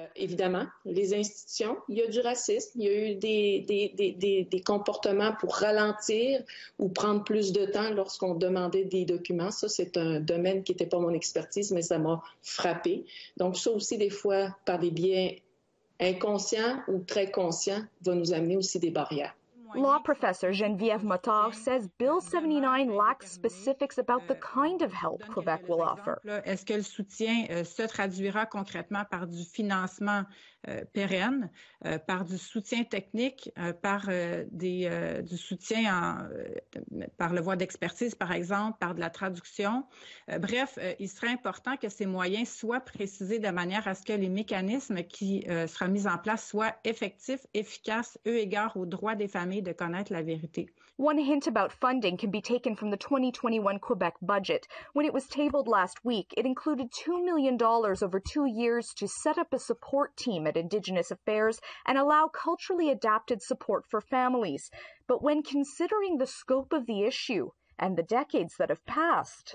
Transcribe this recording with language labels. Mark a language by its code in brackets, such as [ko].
[fr] Évidemment, les institutions, il y a du racisme, il y a eu des comportements pour ralentir ou prendre plus de temps lorsqu'on demandait des documents. Ça, c'est un domaine qui n'était pas mon expertise, mais ça m'a frappé. Donc ça aussi, des fois, par des biais inconscients ou très conscients, va nous amener aussi des barrières. [en] Law professor Geneviève Matar says Bill 79 lacks specifics about the kind of help Quebec will offer. [fr] Est-ce que le soutien se traduira concrètement par du financement pérenne, par du soutien technique, par du soutien en, par le voie d'expertise, par exemple, par de la traduction? Bref, il serait important que ces moyens soient précisés de manière à ce que les mécanismes qui seront mis en place soient effectifs, efficaces, eu égard aux droits des familles. De connaître la vérité. [en] One hint about funding can be taken from the 2021 Quebec budget. When it was tabled last week, it included $2 million over 2 years to set up a support team at Indigenous Affairs and allow culturally adapted support for families. But when considering the scope of the issue and the decades that have passed...